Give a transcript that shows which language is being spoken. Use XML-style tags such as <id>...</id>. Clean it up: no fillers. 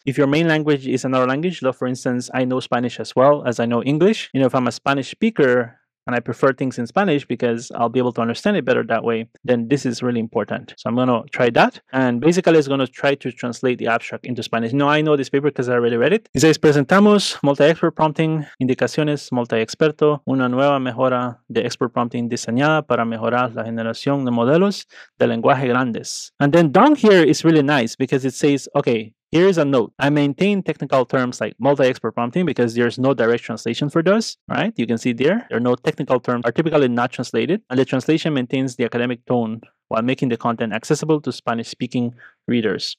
<en>If your main language is another language, though, for instance, I know Spanish as well as I know English. You know, if I'm a Spanish speaker, and I prefer things in Spanish because I'll be able to understand it better that way, then this is really important. So I'm going to try that. And basically, it's going to try to translate the abstract into Spanish. Now, I know this paper because I already read it.</en> <es>It says, presentamos multi-expert prompting, indicaciones multi-experto, una nueva mejora de expert prompting diseñada para mejorar la generación de modelos de lenguaje grandes.</es> <en>And then down here is really nice because it says, okay, here is a note. I maintain technical terms like multi-expert prompting because there's no direct translation for those, right? You can see there, there are no technical terms are typically not translated, and the translation maintains the academic tone while making the content accessible to Spanish-speaking readers.</en>